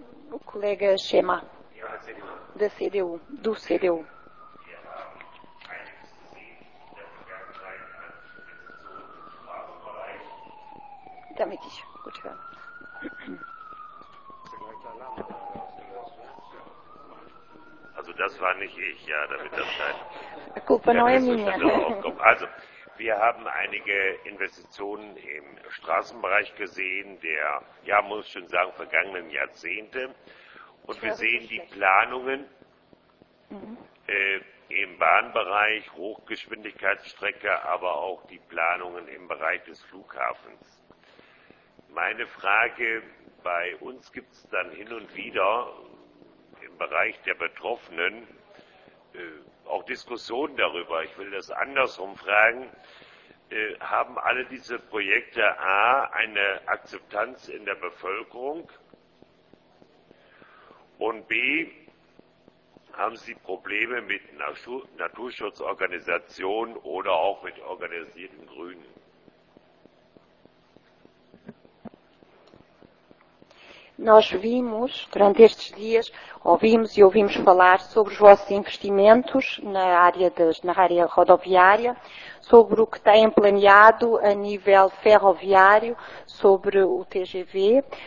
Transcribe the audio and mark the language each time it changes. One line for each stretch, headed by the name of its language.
Portuguese: O colega Chema, da CDU, do CDU. Também diz, continuamos.
German: Also das war nicht ich, ja, damit das scheint.
Portuguese: A culpa não é minha.
German: Also, wir haben einige Investitionen im Straßenbereich gesehen, der, ja, muss ich schon sagen, vergangenen Jahrzehnte. Und wir sehen die Planungen im Bahnbereich, Hochgeschwindigkeitsstrecke, aber auch die Planungen im Bereich des Flughafens. Meine Frage, bei uns gibt es dann hin und wieder im Bereich der Betroffenen auch Diskussionen darüber. Ich will das andersrum fragen. Haben alle diese Projekte A eine Akzeptanz in der Bevölkerung? Und B, haben sie Probleme mit Naturschutzorganisationen oder auch mit organisierten Grünen?
Portuguese: Nós vimos, durante estes dias, ouvimos e ouvimos falar sobre os vossos investimentos na área rodoviária, sobre o que têm planeado a nível ferroviário, sobre o TGV.